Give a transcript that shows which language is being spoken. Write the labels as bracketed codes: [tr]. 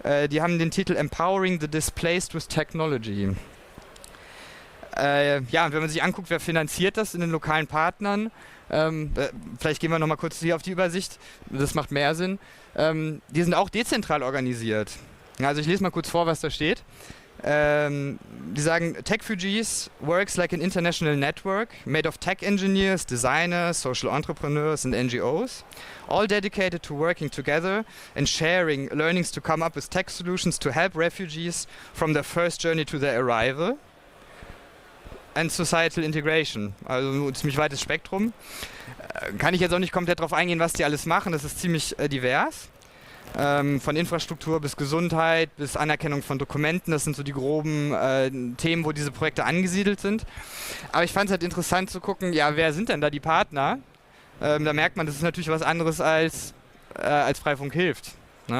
[de] Die haben den Titel Empowering the Displaced with Technology. Ja, und wenn man sich anguckt, wer finanziert das in den lokalen Partnern, vielleicht gehen wir nochmal kurz hier auf die Übersicht, das macht mehr Sinn. Die sind auch dezentral organisiert. Also ich lese mal kurz vor, was da steht. Die sagen, [en] Techfugees works like an international network made of tech engineers, designers, social entrepreneurs and NGOs, all dedicated to working together and sharing learnings to come up with tech solutions to help refugees from their first journey to their arrival and societal integration. [de] Also ein ziemlich weites Spektrum. Kann ich jetzt auch nicht komplett darauf eingehen, was die alles machen, das ist ziemlich divers. Von Infrastruktur bis Gesundheit bis Anerkennung von Dokumenten, das sind so die groben Themen, wo diese Projekte angesiedelt sind. Aber ich fand es halt interessant zu gucken, ja, wer sind denn da die Partner? Da merkt man, das ist natürlich was anderes als Freifunk hilft. Ne?